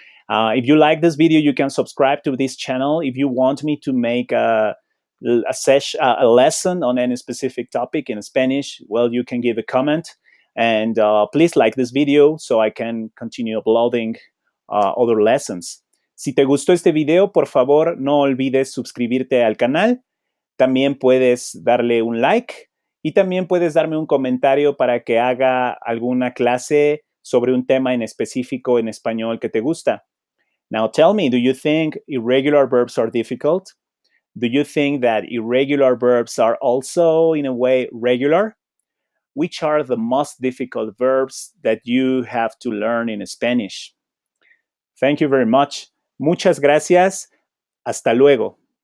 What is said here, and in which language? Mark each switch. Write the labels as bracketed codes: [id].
[en] If you like this video, you can subscribe to this channel. If you want me to make a lesson on any specific topic in Spanish, well, you can give a comment. And please like this video so I can continue uploading other lessons. [es] Si te gustó este video, por favor, no olvides suscribirte al canal. También puedes darle un like y también puedes darme un comentario para que haga alguna clase sobre un tema en específico en español que te gusta. [en] Now tell me, do you think irregular verbs are difficult? Do you think that irregular verbs are also, in a way, regular? Which are the most difficult verbs that you have to learn in Spanish? Thank you very much. [es] Muchas gracias. Hasta luego.